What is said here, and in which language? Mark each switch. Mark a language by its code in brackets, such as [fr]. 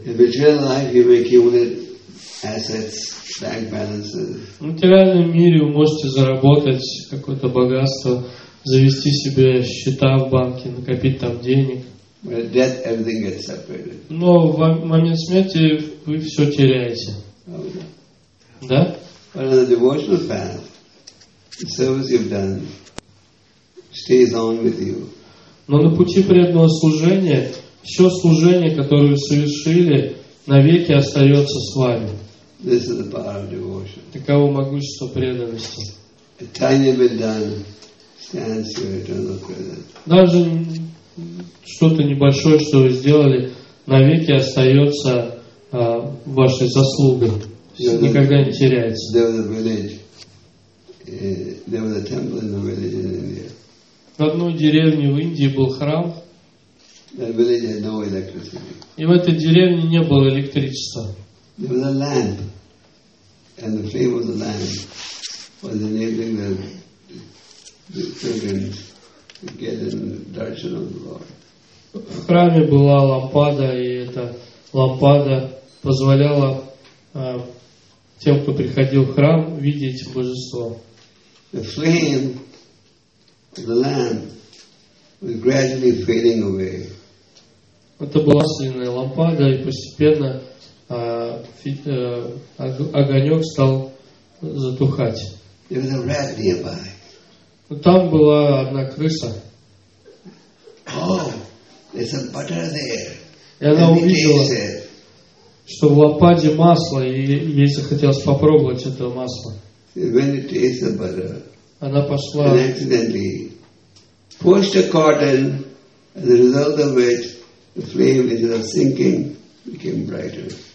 [ru] В материальном мире вы можете заработать какое-то богатство, завести себе счета в банке, накопить там денег. [en] When at death, everything gets separated. [ru] Но в момент смерти вы все теряете. Да? [en] But on the devotional path, the service you've done stays on with you. [ru] Но на пути преданного служения все служение, которое вы совершили, навеки остается с вами. [en] This is the power of devotion. [ru] Таково могущество преданности. [en] A tiny bit done stands your eternal presence. [ru] Даже что-то небольшое, что вы сделали, навеки остается вашей заслугой. Никогда не теряется. [en] There was a village. There was a temple in the village in India. [ru] В одной деревне в Индии был храм. [en] That village had no electricity. [ru] И в этой деревне не было электричества. [en] There was a lamp. And the flame of the lamp was enabling the pilgrims to get in the darshan of the Lord. [ru] В храме была лампада, и эта лампада позволяла тем, кто приходил в храм, видеть божество. [en] The flame of the lamp was gradually fading away. [ru] Это была масляная лампада, и постепенно огонек стал затухать. [en] There was a rat nearby. [ru] Но там была одна крыса. [en] Oh, there's some butter there. [ru] И она увидела, что в лампаде масло, и ей захотелось попробовать это масло. [en] When it tastes the butter, [ru] она пошла [en] and accidentally pushed a cotton, as a result of which the flame, instead of sinking, became brighter.